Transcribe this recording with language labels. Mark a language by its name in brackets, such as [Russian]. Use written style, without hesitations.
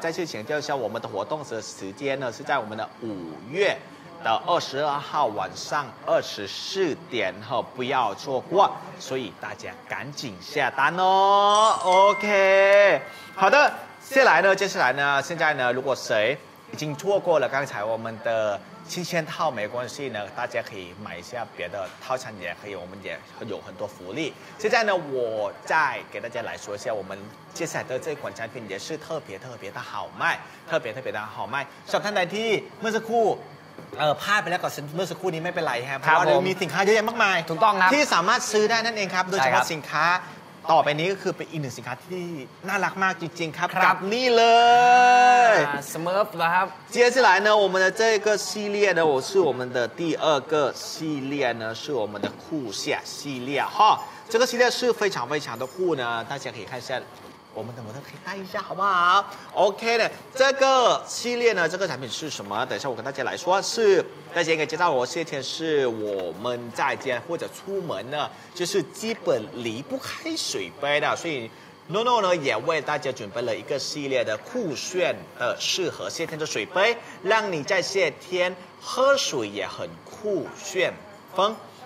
[Chinese] 再次强调一下，我们的活动的时间呢是在我们的5月22号晚上24点哈，不要错过，所以大家赶紧下单哦。 OK， 好的，接下来呢，现在呢，如果谁已经错过了刚才我们的。新鲜套没关系呢大家可以买一下别的套餐也可以我们也有很多福利现在呢我再给大家来说一下我们接下来的这款产品也是特别特别的好卖特别特别的好卖小看台梯 [Thai] เมื่อสักครู่พลาดไปแล้วก็เมื่อสักครู่นี้ไม่เป็นไรครับเพราะว่าเรามีสินค้าเยอะแยะมากมาย ถูกต้องนะ ที่สามารถซื้อได้นั่นเองครับโดยเฉพาะสินค้าต่อไปนี้ก็คือเป็นอีกหนึ่งสินค้าที่น่ารักมากจริงๆครับกับนี่เลย สมิร์ฟนะครับ [Chinese] เจียซิไลน์呢我们的这个系列呢我是我们的第二个系列呢是我们的酷夏系列哈这个系列是非常非常的酷呢大家可以看一下我们的模特可以看一下好不好 OK 的这个系列呢这个产品是什么等一下我跟大家来说是大家应该知道我谢天是我们在家或者出门呢就是基本离不开水杯的所以 NONO 呢也为大家准备了一个系列的酷炫的适合谢天的水杯让你在谢天喝水也很酷炫风